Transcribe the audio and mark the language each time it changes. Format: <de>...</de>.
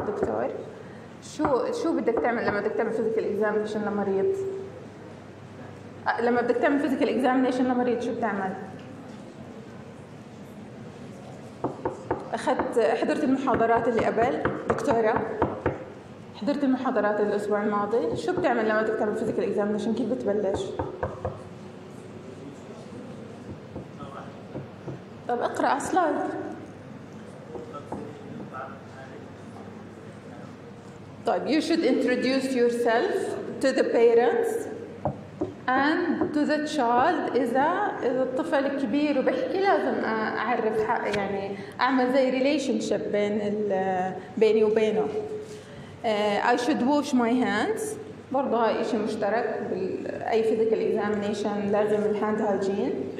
<ar>دكتور شو بدك تعمل لما بدك تعمل فيزيكال اكزامينيشن لمريض؟ لما بدك تعمل فيزيكال اكزامينيشن لمريض شو بتعمل؟ اخذت حضرت المحاضرات اللي قبل دكتوره، حضرت المحاضرات الأسبوع الماضي. شو بتعمل لما تكتب الفيزيكال إكزامينيشن؟ كيف بتبلش؟ طب اقرأ سلايد. طيب</ar> <en>you should introduce yourself to the parents and to the child.</en> <ar>إذا الطفل كبير وبحكي لازم أعرف يعني أعمل زي relationship بين بيني وبينه.</ar> <en>I should wash my hands.</en> <ar>برضه هاي إشي مشترك بأي physical examination لازم الهاند هالجين.</ar>